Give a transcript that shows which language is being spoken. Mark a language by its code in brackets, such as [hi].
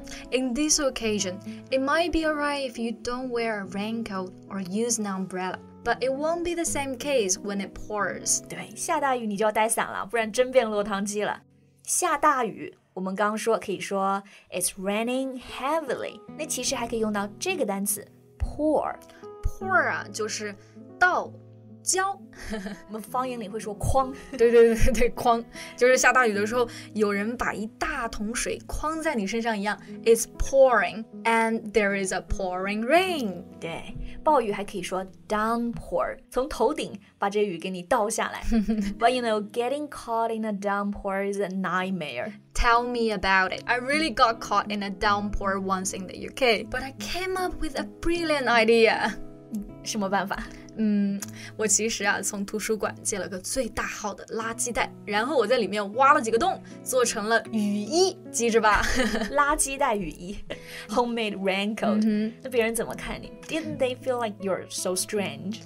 [en] In this occasion, it might be alright if you don't wear a raincoat or use an umbrella, but it won't be the same case when it pours. [zh] 对，下大雨你就要带伞了，不然真变落汤鸡了。下大雨，我们刚刚说可以说 it's raining heavily. 那其实还可以用到这个单词 pour. Pour 啊，就是倒。浇，我们方言里会说筐。对对对对，筐，就是下大雨的时候，有人把一大桶水筐在你身上一样。 [en] It's pouring, and there is a pouring rain. [zh] 对，暴雨还可以说 downpour, 从头顶把这雨给你倒下来。 [en] But you know, getting caught in a downpour is a nightmare. Tell me about it. I really got caught in a downpour once in the UK, but I came up with a brilliant idea. [zh] 什么办法？我其实啊，从图书馆借了个最大号的垃圾袋，然后我在里面挖了几个洞，做成了雨衣，记着吧。垃圾袋雨衣 ， homemade raincoat、嗯。 [en] 那别人怎么看你？Didn't they feel like you're so strange？